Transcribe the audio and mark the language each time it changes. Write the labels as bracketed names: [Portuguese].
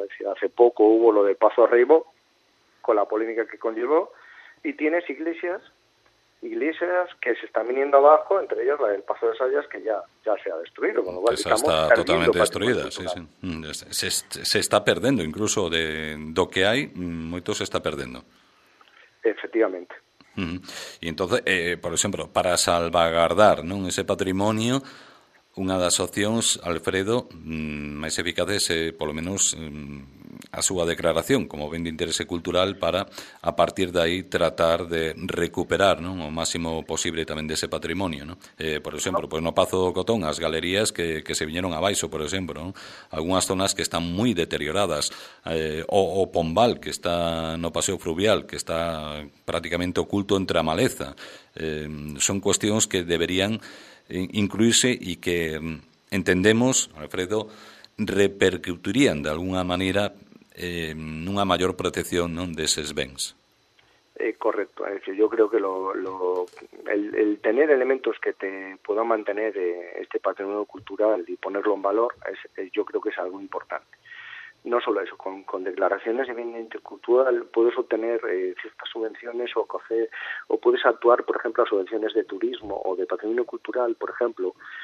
[Spanish] Es decir, hace poco hubo lo de Pazo Arribo, con la polémica que conllevó, y tienes iglesias que se están viniendo abajo, entre ellas la del Pazo de Sayas, que ya se ha destruido. Bueno, esa está totalmente destruida, sí, sí. Se está perdiendo, incluso de lo que hay, mucho se está perdiendo. Efectivamente. Y entonces, [Galician] por exemplo, para salvagardar, non, ese patrimonio, unha das opcións, Alfredo, máis eficaces, polo menos, a súa declaración como ben de interese cultural para, a partir de aí, tratar de recuperar, non, o máximo posible tamén dese patrimonio, non? Por exemplo, pois no Pazo do Cotón, as galerías que se viñeron abaixo, por exemplo, non? Algúnas zonas que están moi deterioradas, o Pombal, que está no Paseo Fluvial, que está prácticamente oculto entre a maleza. Son cuestións que deberían incluirse e que entendemos, Alfredo, repercutirían [Spanish] de alguna manera [Galician] nunha maior protección, non, deses bens. [Spanish] Correcto, es decir, yo creo que el tener elementos que te puedan mantener este patrimonio cultural y ponerlo en valor yo creo que es algo importante. No solo eso, con declaraciones de bien de interés cultural puedes obtener ciertas subvenciones o puedes actuar, por ejemplo, a subvenciones de turismo o de patrimonio cultural, por ejemplo.